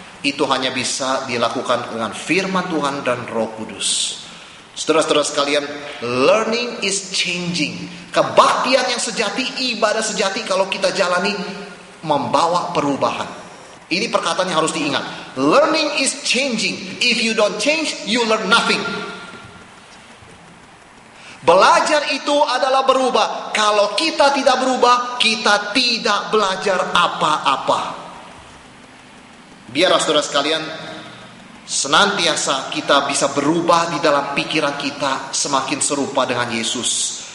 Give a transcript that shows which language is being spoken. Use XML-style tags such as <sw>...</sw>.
<id>Itu hanya bisa dilakukan dengan firman Tuhan dan Roh Kudus. Saudara-saudara sekalian,</id> <en>learning is changing.</en> <id>Kebaktian yang sejati, ibadah sejati kalau kita jalani membawa perubahan. Ini perkataan yang harus diingat.</id> <en>Learning is changing. If you don't change, you learn nothing.</en> <id>Belajar itu adalah berubah. Kalau kita tidak berubah, kita tidak belajar apa-apa. Biar saudara sekalian, senantiasa kita bisa berubah di dalam pikiran kita semakin serupa dengan Yesus.</id>